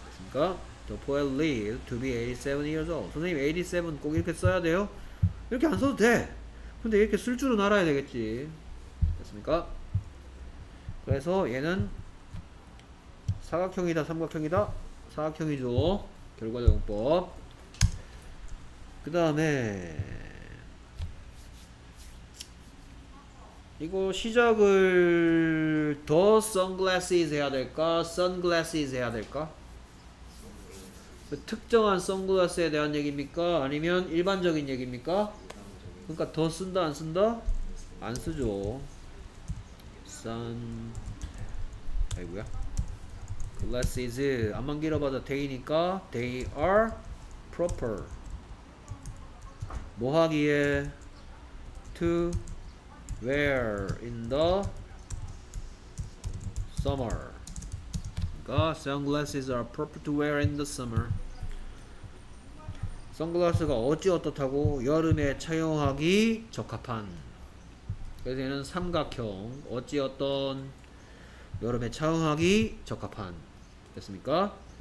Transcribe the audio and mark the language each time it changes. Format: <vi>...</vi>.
<en>그러니까 the poet lived to be 87 years old.</en> <ko>선생님 87 꼭 이렇게 써야 돼요? 이렇게 안 써도 돼. 근데 이렇게 쓸 줄은 알아야 되겠지. 됐습니까? 그래서 얘는 사각형이다 삼각형이다? 사각형이죠. 결과적용법. 그 다음에 이거 시작을 더 선글라스 해야 될까? 선글라스 해야 될까? 그 특정한 선글라스에 대한 얘기입니까? 아니면 일반적인 얘기입니까? 그러니까 더 쓴다 안 쓴다? 안 쓰죠. 선 아이고야 glasses 안만 길어봐도 they니까 they are proper 뭐 하기에 to wear in the summer.</ko> <en>그러니까 sunglasses are proper to wear in the summer.</en> <ko>선글라스가 어찌 어떻다고 여름에 착용하기 적합한. 그래서 얘는 삼각형 어찌 어떤 여름에 착용하기 적합한 됐습니까?</ko>